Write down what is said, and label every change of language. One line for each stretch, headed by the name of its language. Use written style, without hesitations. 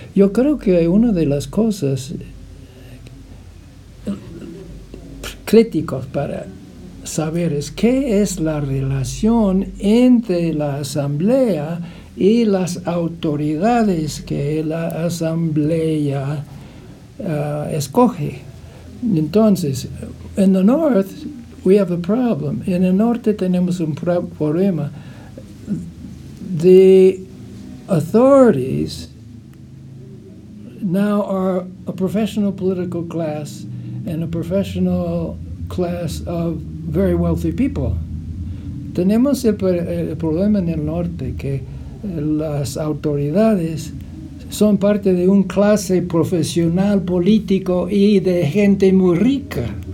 Spanish: Yo creo que una de las cosas críticas para saber es qué es la relación entre la Asamblea y las autoridades que la asamblea escoge.
English: Entonces, in the North, we have a problem.
Spanish: En el norte tenemos un problema.
English: The authorities now are a professional political class and a professional class of very wealthy people.
Spanish: Tenemos el problema en el norte que las autoridades son parte de un clase profesional, político y de gente muy rica.